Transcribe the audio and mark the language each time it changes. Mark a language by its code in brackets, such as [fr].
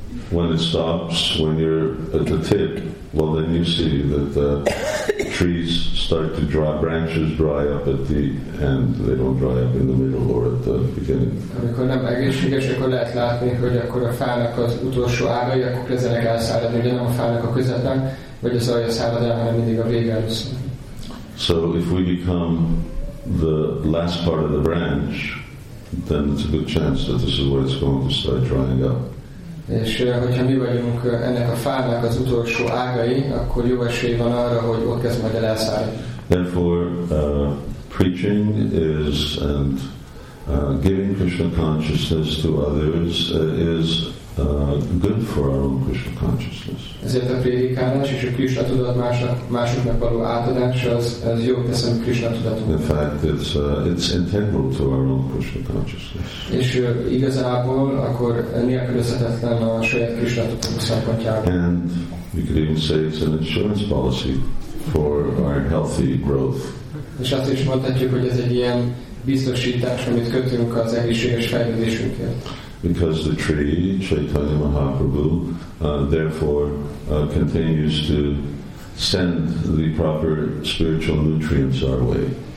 [en] When it stops, when you're at the tip, well then you see that the trees start to dry, branches dry up at the end, they don't dry up in the middle or at the beginning. [hu] Amikor nem egészséges, akkor lehet látni, hogy akkor a fának az utolsó ágai, akkor kezdenek elszáradni, de nem a fának a közepén, vagy az alja szárad el, hanem mindig a vége először. [en] So if we become the last part of the branch, then it's a good chance that this is where it's going to start drying up. [hu] És hogyha mi vagyunk ennek a fának az utolsó ágai, akkor jó esély van arra, hogy ott kezd majd elszállni. [en] Therefore, preaching is and giving Krishna consciousness to others is good for our own Krishna consciousness. [hu] Ezért a prédikálás és a Krishna tudat másoknak való átadás, az jó teszem Krishna tudatunk. [en] In fact, it's integral to our own Krishna consciousness. [hu] És igazából akkor nélkülözhetetlen a saját Krishna tudatunk szempontjából. [en] And you could even say it's an insurance policy for our healthy growth. [hu] És azt is mondhatjuk, hogy ez egy ilyen biztosítás, amit kötünk az egészséges fejlődésünkért. [en] Because the tree, Chaitanya Mahaprabhu, therefore continues to send the proper spiritual nutrients our way.